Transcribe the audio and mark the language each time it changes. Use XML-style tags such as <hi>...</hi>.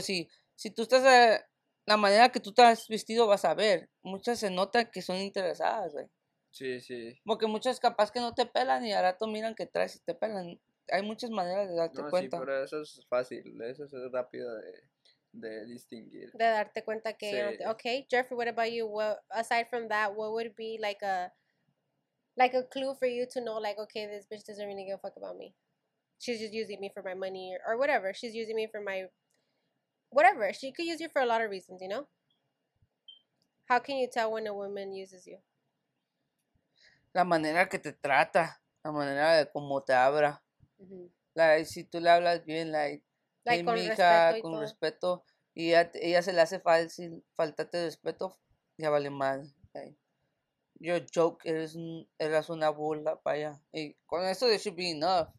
<es>Si tú estás, la manera que tú estás vestido, vas a ver. Muchas se notan que son interesadas, güey. Sí, sí. Porque muchas capaz que no te pelan y al rato miran que traes y te pelan. Hay muchas maneras de darte cuenta. Sí, pero eso es fácil, eso es rápido de distinguir, de darte cuenta que sí.</es> <en>Okay, Jeffrey, what about you? Well, aside from that, what would be like a clue for you to know, like, okay, this bitch doesn't really give a fuck about me, she's just using me for my money or whatever, she's using me for my whatever, she could use you for a lot of reasons, you know? How can you tell when a woman uses you?</en> <es>La manera que te trata, la manera de cómo te abra. Mm-hmm. Like, si tú le hablas bien, like, like, con mija, respeto, con respeto, y ella se le hace fácil faltarte respeto, ya vale mal. Okay.</es> <en>Your joke,</en> <es>eres una burla para ella. Y con eso,</es> <en>it should be enough.</en>